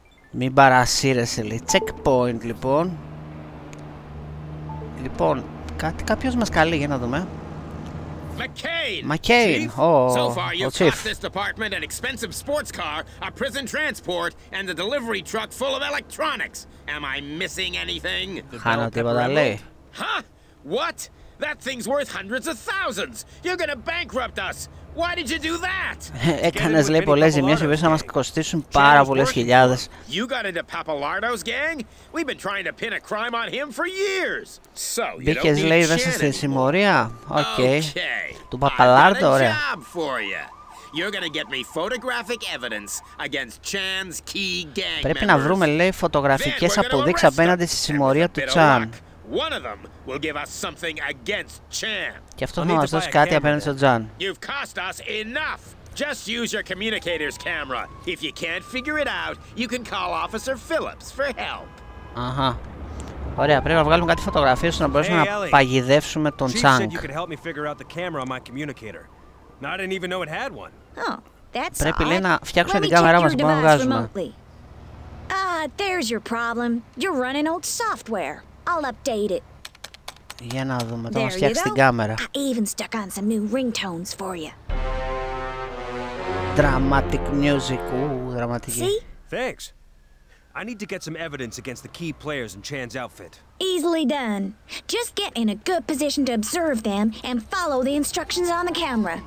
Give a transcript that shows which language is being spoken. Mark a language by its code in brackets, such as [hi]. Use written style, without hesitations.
[el] Μην παρασύρεσαι λέει. Checkpoint λοιπόν. Λοιπόν, κάποιος μας καλεί, για να δούμε. [en] McCain, oh, so far you've caught this department an expensive sports car, a prison transport, and a delivery truck full of electronics. Am I missing anything? [el] Χάνω τίποτα λέει. [en] Huh? What? That thing's worth hundreds of thousands. You're gonna bankrupt us. Why did you do that? [el] Έκανες λέει πολλές ζημίες, οι οποίες θα μας κοστίσουν πάρα πολλές χιλιάδες. [en] You got into Papalardo's gang? We've been trying to pin a crime on him for years. So, you don't need Shannon. [el] Μπήκες λέει μέσα στην συμμορία. Οκ. Του Παπαλάρντο, ωραία. [en] I've got a job for you. You're gonna get me photographic evidence against Chan's key gang members. [el] Πρέπει να βρούμε λέει φωτογραφικές αποδείξεις απέναντι στη συμμορία του Chan. [en] One of them will give us something against Champ. [el] Και αυτό θα μας δώσει κάτι απέναντι στον Τζαν. [en] You've cost us enough. Just use your communicator's camera. If you can't figure it out, you can call Officer Phillips for help. Αχα. [el] Ωραία, πρέπει να βγάλουμε κάτι φωτογραφίες ώστε να μπορέσουμε να παγιδεύσουμε τον Τζαν. [en] You could help me figure out the camera on my communicator. I didn't even know it had one. Oh, that's [el] Πρέπει λέει να φτιάξουμε την κάμερά μας, μπορούμε να βγάζουμε. [en] There's your problem. You're running old software. I'll update it. [el] Για να δούμε, θα μας φτιάξει την κάμερα. [en] I even stuck on some new ringtones for you. Dramatic music. Ooh, dramatic. See? Thanks. I need to get some evidence against the key players in Chan's outfit. Easily done. Just get in a good position to observe them and follow the instructions on the camera.